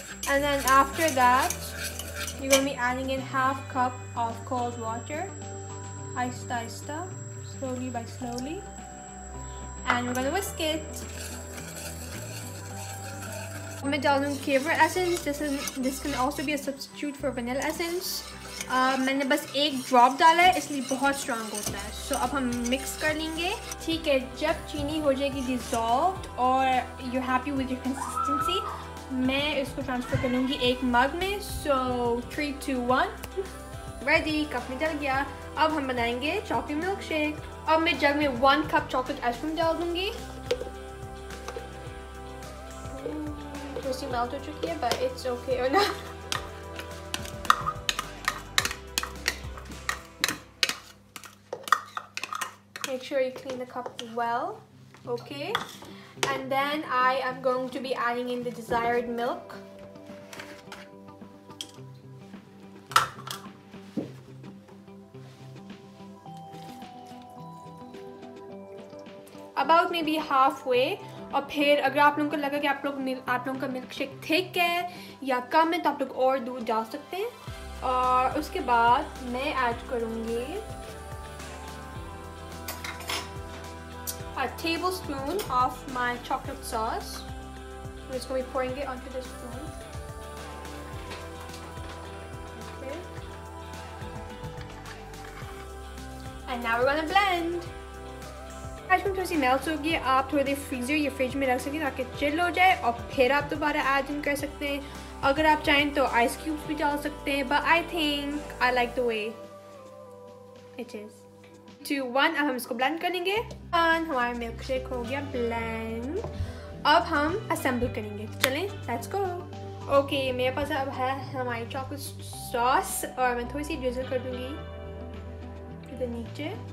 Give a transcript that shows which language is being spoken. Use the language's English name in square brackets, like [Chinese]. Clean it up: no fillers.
[English] And then after that, you're going to be adding in 1/2 cup of cold water. Aista, slowly by slowly. And we're going to whisk it. I'm going to add kewra essence. This can also be a substitute for vanilla essence. [Hindi] मैंने बस एक drop डाला है इसलिए बहुत strong होता है सो अब हम मिक्स कर लेंगे ठीक है जब चीनी हो जाएगी डिसॉल्व्ड और [English] you happy with your consistency [Hindi] मैं इसको ट्रांसफर कर लूँगी एक मग में सो 3, 2, 1 रेडी कप में डल गया अब हम बनाएंगे चॉकलेट मिल्क शेक अब मैं जग में 1 कप चॉकलेट आइसक्रीम डाल दूँगी [English] Make sure you clean the cup well, okay? And then I am going to be adding in the desired milk. About maybe halfway. [Hindi] और फिर अगर आप लोगों को लगा कि आप लोगों का मिल्क शेक थिक है या कम है तो आप लोग और दूध डाल सकते हैं और उसके बाद मैं ऐड करूँगी [English] a tablespoon of my chocolate sauce. I'm just going to be pouring it onto the spoon. Okay. And now we're going to blend. [Hindi] Ice cream थोड़ी सी मेल्ट हो गई है आप थोड़ी देर फ्रीजर या फ्रिज में रख सकते हैं ताकि चिल हो जाए और फिर आप दोबारा ऐड इन कर सकते हैं अगर आप चाहें तो आइस क्यूब्स भी डाल सकते हैं [English] but I think I like the way it is [Hindi] 2, 1 अब हम इसको ब्लेंड करेंगे एंड हमारा मिल्क शेक हो गया ब्लेंड अब हम असेंबल करेंगे चलें [English] let's go [Hindi] ओके मेरे पास अब है हमारी चॉकलेट सॉस और मैं थोड़ी सी ड्रिजल कर दूंगी इधर नीचे